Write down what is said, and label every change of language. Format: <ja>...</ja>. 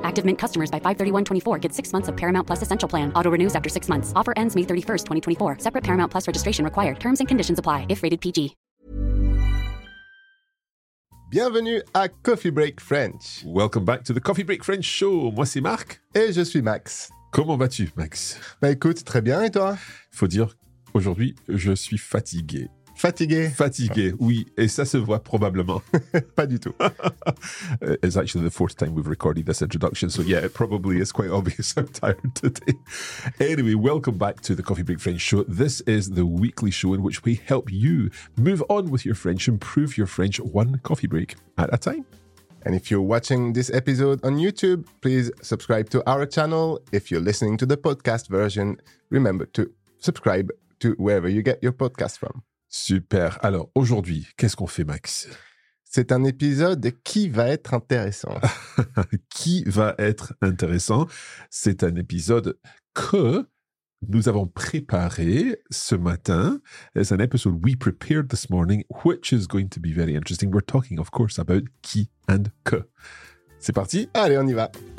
<en>Active Mint customers by 5/31/24 get 6 months of Paramount Plus Essential Plan. Auto renews after 6 months. Offer ends May 31st, 2024. Separate Paramount Plus registration required. Terms and conditions apply if rated PG.</en> <fr>Bienvenue à Coffee Break French.</fr> <en>Welcome back to the Coffee Break French show.</en> <fr>Moi, c'est Marc. Et je suis Max. Comment vas-tu, Max? Bah écoute, très bien. Et toi? Faut dire, aujourd'hui, je suis fatigué. Fatigué? Fatigué, oui. Et ça se voit probablement. Pas du tout.</fr> <en>It's actually the fourth time we've recorded this introduction. So yeah, it probably is quite obvious I'm tired today. Anyway, welcome back to the Coffee Break French show. This is the weekly show in which we help you move on with your French, improve your French one coffee break at a time. And if you're watching this episode on YouTube, please subscribe to our channel. If you're listening to the podcast version, remember to subscribe to wherever you get your podcast from.</en> <fr>Super. Alors, aujourd'hui, qu'est-ce qu'on fait, Max? C'est un épisode qui va être intéressant. Qui va être intéressant? C'est un épisode que nous avons préparé ce matin.</fr> <en>It's an episode we prepared this morning, which is going to be very interesting. We're talking, of course, about qui and que.</en> <fr>C'est parti? Allez, on y va.</fr>